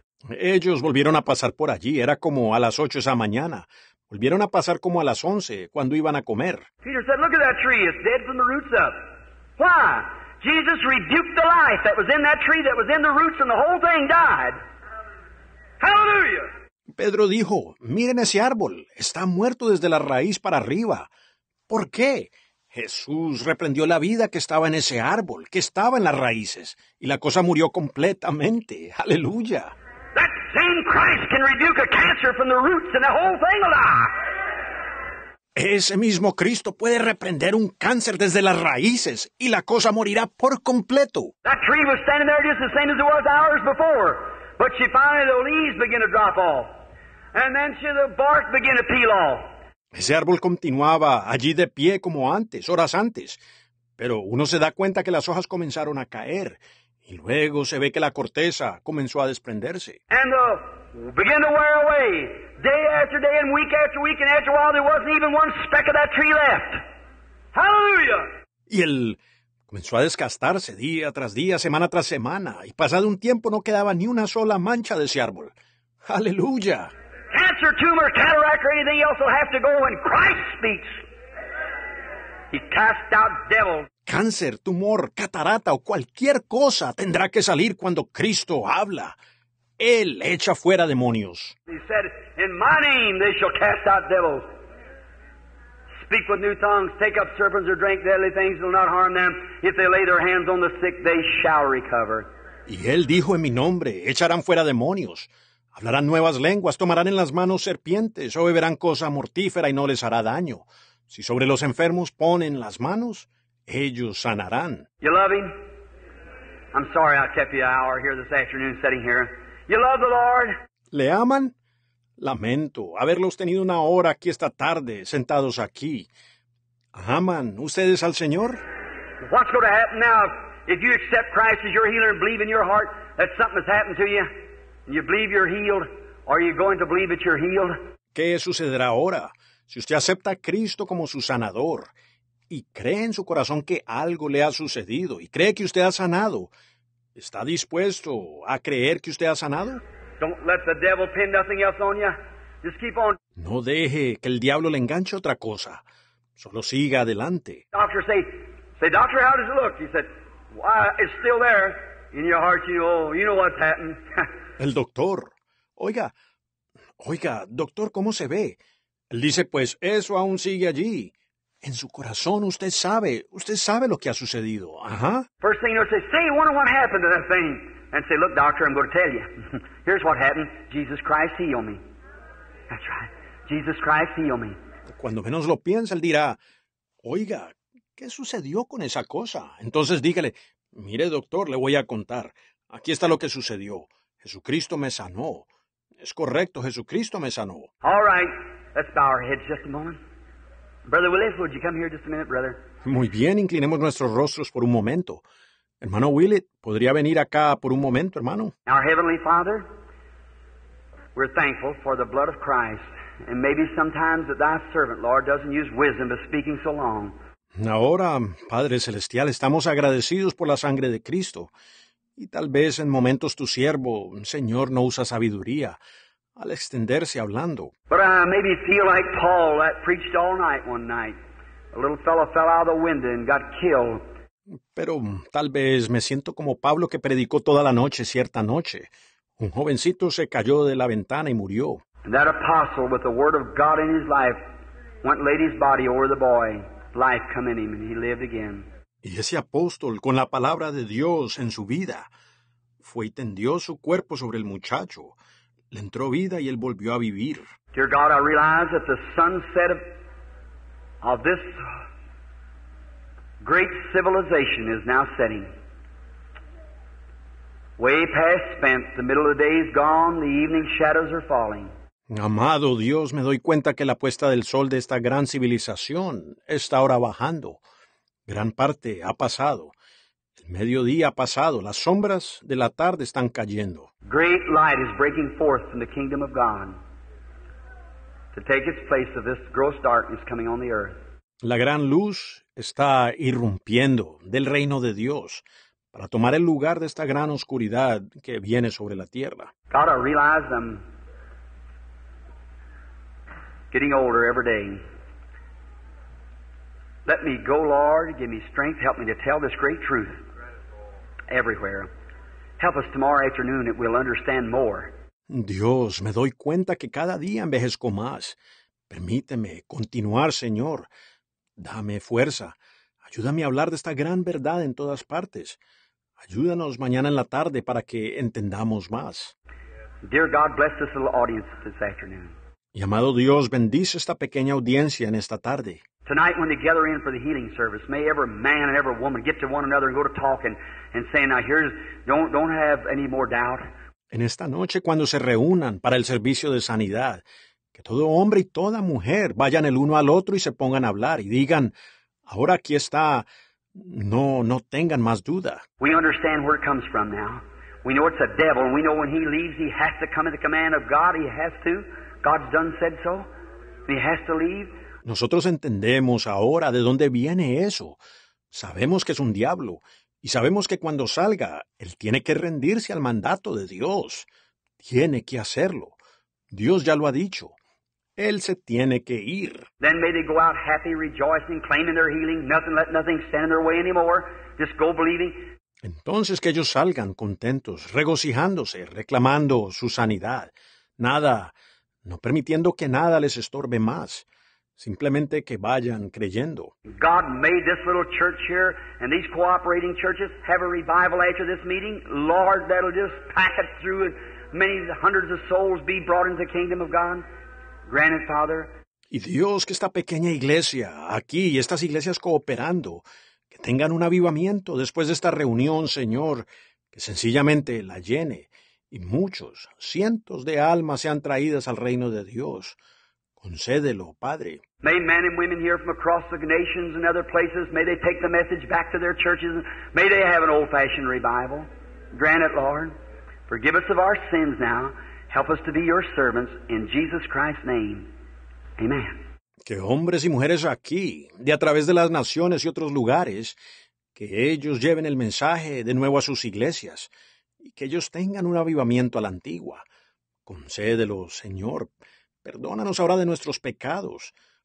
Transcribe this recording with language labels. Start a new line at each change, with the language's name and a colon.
Spanish: Ellos volvieron a pasar por allí, era como a las 8 esa mañana. Volvieron a pasar como a las 11 cuando iban a comer.
English: Peter said, look at that tree, it's dead from the roots up. Why? Jesus rebuked the life that was in that tree that was in the roots and the whole thing died. Hallelujah!
Spanish: Pedro dijo, miren ese árbol, está muerto desde la raíz para arriba. ¿Por qué? Jesús reprendió la vida que estaba en ese árbol, que estaba en las raíces, y la cosa murió completamente. ¡Aleluya!
English: That same Christ can rebuke a cancer from the roots and the whole thing will die.
Spanish: Ese mismo Cristo puede reprender un cáncer desde las raíces y la cosa morirá por completo.
English: That tree was standing there just the same as it was hours before. But she finally the leaves begin to drop off. And then she the bark begin to peel off.
Spanish: Ese árbol continuaba allí de pie como antes, horas antes. Pero uno se da cuenta que las hojas comenzaron a caer. Y luego se ve que la corteza comenzó a desprenderse.
English: And begin to wear away. Day after day and week after week and after a while there wasn't even one speck of that tree left. Hallelujah!
Spanish: Y el comenzó a desgastarse día tras día, semana tras semana, y pasado un tiempo no quedaba ni una sola mancha de ese árbol. ¡Aleluya!
English: Cancer, tumor, cataract, or anything else will have to go when Christ speaks. He cast out devil.
Spanish: Cáncer, tumor, catarata o cualquier cosa tendrá que salir cuando Cristo habla. Él echa fuera demonios.
English: He said, in my name they shall cast out devils. Speak with new tongues, take up serpents or drink deadly things, will not harm them. If they lay their hands on the sick, they shall recover.
Spanish: Y él dijo en mi nombre, echarán fuera demonios. Hablarán nuevas lenguas, tomarán en las manos serpientes, o beberán cosa mortífera y no les hará daño. Si sobre los enfermos ponen las manos, ellos sanarán.
English: You love him? I'm sorry I kept you an hour here this afternoon sitting here. You love the Lord?
Spanish: ¿Le aman? Lamento haberlos tenido una hora aquí esta tarde, sentados aquí. ¿Aman ustedes al Señor?
English: What's going to happen now if you accept Christ as your healer and believe in your heart that something has happened to you, and you believe you're healed, or are you going to believe that you're healed?
Spanish: ¿Qué sucederá ahora si usted acepta a Cristo como su sanador y cree en su corazón que algo le ha sucedido y cree que usted ha sanado? ¿Está dispuesto a creer que usted ha sanado?
English: Don't let the devil pin nothing else on you. Just keep on.
Spanish: No deje que el diablo le enganche otra cosa. Solo siga adelante.
English: Doctor, say, doctor, how does it look? He said, why, it's still there. In your heart, you know what's happened.
Spanish: El doctor, oiga, doctor, ¿cómo se ve? Él dice, pues, eso aún sigue allí. En su corazón, usted sabe lo que ha sucedido. Ajá.
English: First thing you'll say, I wonder what happened to that thing. And say, look, doctor, I'm going to tell you. Here's what happened. Jesus Christ healed me. That's right. Jesus Christ healed me.
Spanish: Cuando menos lo piense, él dirá, oiga, ¿qué sucedió con esa cosa? Entonces dígale, mire, doctor, le voy a contar. Aquí está lo que sucedió. Jesucristo me sanó. Es correcto, Jesucristo me sanó.
English: All right, let's bow our heads just a moment. Brother Willis, would you come here just a minute, brother?
Spanish: Muy bien, inclinemos nuestros rostros por un momento. Hermano Willett, ¿podría venir acá por un momento, hermano?
English: Our Heavenly Father, we're thankful for the blood of Christ, and maybe sometimes that thy servant, Lord, doesn't use wisdom but speaking so long.
Spanish: Ahora, Padre Celestial, estamos agradecidos por la sangre de Cristo, y tal vez en momentos tu siervo, Señor, no usa sabiduría al extenderse hablando.
English: But I maybe feel like Paul that preached all night one night. A little fellow fell out of the window and got killed.
Spanish: Pero tal vez me siento como Pablo que predicó toda la noche cierta noche. Un jovencito se cayó de la ventana y murió.
English: And that apostle with the word of God in his life went laid his body over the boy. Life come in him and he lived again.
Spanish: Y ese apóstol con la palabra de Dios en su vida fue y tendió su cuerpo sobre el muchacho. Le entró vida y él volvió a vivir.
English: Dear God, I realize that the sunset of this great civilization is now setting. Way past spent, the middle of the day is gone, the evening shadows are falling.
Spanish: Amado Dios, me doy cuenta que la puesta del sol de esta gran civilización está ahora bajando. Gran parte ha pasado. El mediodía ha pasado. Las sombras de la tarde están cayendo.
English: Great light is breaking forth from the kingdom of God to take its place of this gross darkness coming on the earth.
Spanish: La gran luz está irrumpiendo del reino de Dios para tomar el lugar de esta gran oscuridad que viene sobre la tierra.
English: God, I realize I'm getting older every day. Let me go, Lord. Give me strength. Help me to tell this great truth everywhere. Help us tomorrow afternoon that we'll understand more.
Spanish: Dios, me doy cuenta que cada día envejezco más. Permíteme continuar, Señor. Dame fuerza. Ayúdame a hablar de esta gran verdad en todas partes. Ayúdanos mañana en la tarde para que entendamos más.
English: Dear God, bless this little audience this afternoon.
Spanish: Y amado Dios, bendice esta pequeña audiencia en esta tarde.
English: Tonight when they gather in for the healing service, may every man and every woman get to one another and go to talking and say, now here's, don't have any more doubt.
Spanish: En esta noche cuando se reúnan para el servicio de sanidad, que todo hombre y toda mujer vayan el uno al otro y se pongan a hablar y digan, ahora aquí está, no tengan más duda.
English: We understand where it comes from now. We know it's a devil. We know when he leaves, he has to come at the command of God. He has to. God's done said so. He has to leave.
Spanish: Nosotros entendemos ahora de dónde viene eso. Sabemos que es un diablo. Y sabemos que cuando salga, él tiene que rendirse al mandato de Dios. Tiene que hacerlo. Dios ya lo ha dicho. Él se tiene que ir.
English: Then may they go out happy, rejoicing, claiming their healing. Nothing, let nothing stand in their way anymore. Just go believing.
Spanish: Entonces que ellos salgan contentos, regocijándose, reclamando su sanidad. Nada, no permitiendo que nada les estorbe más. Simplemente que vayan creyendo.
English: God made this little church here and these cooperating churches have a revival after this meeting. Lord, that'll just pack it through and many hundreds of souls be brought into the kingdom of God. Grant it, Father.
Spanish: Y Dios, que esta pequeña iglesia aquí y estas iglesias cooperando, que tengan un avivamiento después de esta reunión, Señor, que sencillamente la llene y muchos, cientos de almas sean traídas al reino de Dios. Concédelo, Padre.
English: May men and women here from across the nations and other places, may they take the message back to their churches. May they have an old-fashioned revival. Grant it, Lord. Forgive us of our sins now. Help us to be your servants in Jesus Christ's name. Amen.
Spanish: Que hombres y mujeres aquí, de a través de las naciones y otros lugares, que ellos lleven el mensaje de nuevo a sus iglesias y que ellos tengan un avivamiento a la antigua. Concédelo, Señor. Perdónanos ahora de nuestros pecados.